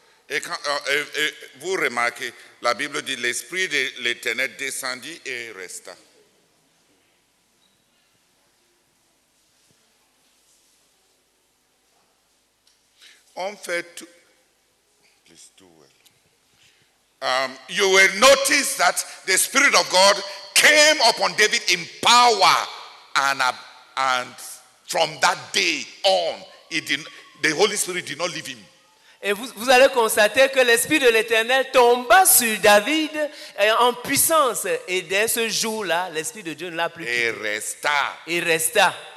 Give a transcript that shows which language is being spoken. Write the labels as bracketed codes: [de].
[fr] Et vous remarquez, la Bible dit « L'Esprit de l'Éternel descendit et resta. » On fait tout. [en] Please do well. You will notice that the Spirit of God came upon David in power and from that day on, the Holy Spirit did not leave him. [fr] Et vous allez constater que l'Esprit de l'Éternel tomba sur David en puissance. Et dès ce jour-là, l'Esprit de Dieu ne l'a plus quitté. Il resta.